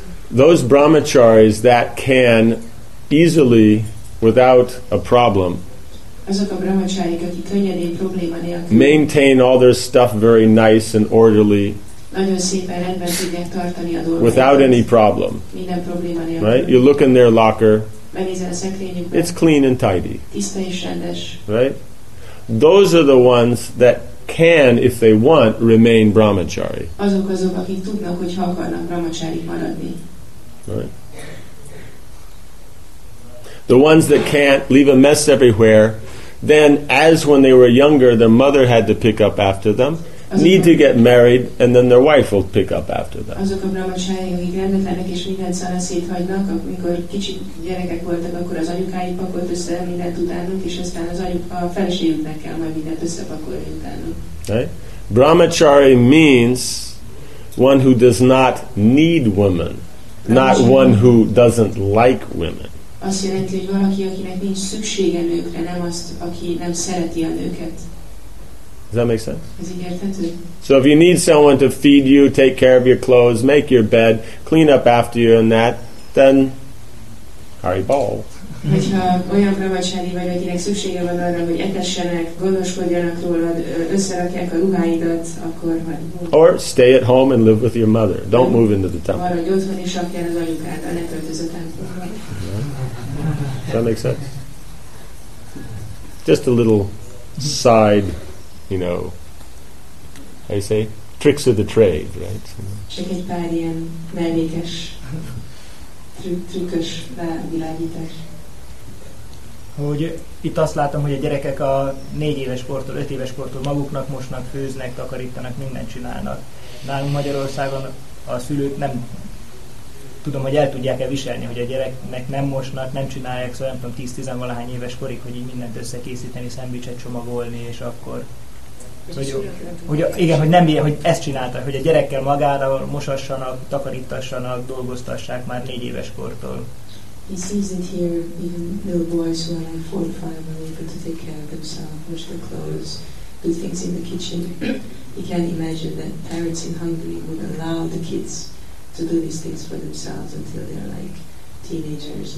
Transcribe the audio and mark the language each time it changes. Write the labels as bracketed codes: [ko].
[en] Those brahmacharis that can easily, without a problem, maintain all their stuff very nice and orderly without any problem. Right? You look in their locker, it's clean and tidy. Right? Those are the ones that can, if they want, remain brahmachari. [hu] Azok, akik tudnak, hogyha akarnak brahmacharik maradni. [en] Right. The ones that can't leave a mess everywhere, then as when they were younger, their mother had to pick up after them, [hu] azok [en] need to get married, and then their wife will pick up after them. [hu] Azok a brahmacharik, akik rendetlenek és minden szana széthagynak, amikor kicsit gyerekek voltak, akkor az anyukáik pakolt össze mindent utánuk, és aztán az anyuk, a feleségüknek kell majd mindent összepakolni utánuk. [en] Right? Brahmachari means one who does not need women, not one who doesn't like women. [hu] Azt jelenti, hogy valaki, akinek nincs szüksége nőkre, nem azt, aki nem szereti a nőket. [en] Does that make sense? [hu] Ez így érthető? [en] So if you need someone to feed you, take care of your clothes, make your bed, clean up after you and that, then hari bol. [hu] Hogyha olyan brahmacari vagy, akinek szüksége van arra, hogy etessenek, gondoskodjanak rólad, összerakják a ruháidat, akkor majd... [en] Or stay at home and live with your mother. Don't move into the temple. [hu] Maradj otthon és rakjál az anyukát, a ne költöz a templomba. [en] Does that make sense? Just a little side, you know, how you say, tricks of the trade, right? [hu] Csak egy pár ilyen mellékes, trükkös világítás. Hogy itt azt látom, hogy a gyerekek a 4 éves kortól, 5 éves kortól maguknak mosnak, főznek, takarítanak, mindent csinálnak. Nálunk Magyarországon a szülők nem tudom, hogy el tudják-e viselni, hogy a gyereknek nem mosnak, nem csinálják, szóval nem tudom, 10-10-valahány éves korig, hogy így mindent összekészíteni, szendvicset csomagolni, és akkor... Hogy ezt csinálta, hogy a gyerekkel magára mosassanak, takarítassanak, dolgoztassák már 4 éves kortól. [en] He sees it here, even little boys who are like 4 or 5 are able to take care of themselves, wash their clothes, do things in the kitchen. He can't imagine that parents in Hungary would allow the kids to do these things for themselves until they're like teenagers.